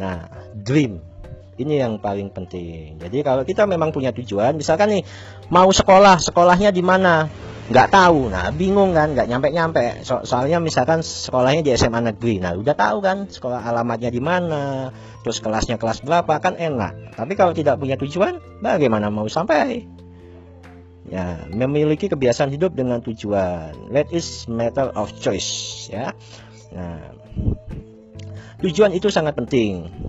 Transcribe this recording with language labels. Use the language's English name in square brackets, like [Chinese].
[Indonesian] Nah, dream. Ini yang paling penting. Jadi kalau kita memang punya tujuan, misalkan nih mau sekolah, sekolahnya di mana? Nggak tahu. Nah, bingung kan? Nggak nyampe-nyampe. Soalnya misalkan sekolahnya di SMA negeri. Nah, udah tahu kan sekolah alamatnya di mana? Terus kelasnya kelas berapa? Kan enak. Tapi kalau tidak punya tujuan, bagaimana mau sampai? Ya, memiliki kebiasaan hidup dengan tujuan. [English] That is matter of choice. [Indonesian] Ya. Nah, tujuan itu sangat penting.